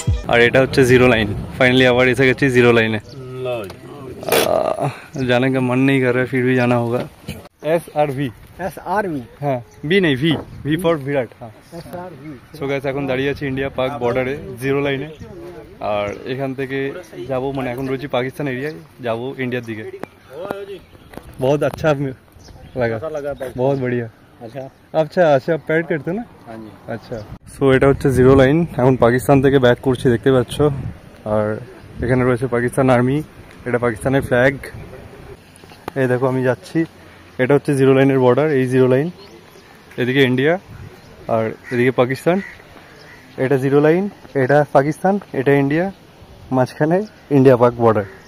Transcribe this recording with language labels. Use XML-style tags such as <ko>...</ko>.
<bn>আর এটা হচ্ছে zero line, finally আবার এসে গেছি জিরো লাইনে,</bn> <hi>জানে কে মন নেই করে ফির ভি জানা হোগা।</hi> <bn>এস আর ভি, এস আর ভি, হ্যাঁ ভি নেই ভি, ভি ফর বিরাট, হ্যাঁ এস আর ভি। সো গাইস এখন দাঁড়িয়ে আছি ইন্ডিয়া পাক বর্ডারে জিরো লাইনে, আর এখান থেকে যাব মানে এখন রয়েছি পাকিস্তান এরিয়ায়, যাব ইন্ডিয়ার দিকে।</bn> <hi>बहुत अच्छा लगा, बहुत बढ़िया। अच्छा अच्छा पैड करते ना? हाँ जी।</hi> <bn>अच्छा सो এটা হচ্ছে জিরো লাইন, এখন পাকিস্তান থেকে ব্যাক করছি দেখতে পাচ্ছ, আর এখানে রয়েছে পাকিস্তান আর্মি, এটা পাকিস্তানের ফ্ল্যাগ। এই দেখো আমি যাচ্ছি, এটা হচ্ছে জিরো লাইনের বর্ডার, এই জিরো লাইন, এদিকে ইন্ডিয়া আর এদিকে পাকিস্তান, এটা জিরো লাইন, এটা পাকিস্তান, এটা ইন্ডিয়া, মাঝখানে ইন্ডিয়া পাক বর্ডার।</bn>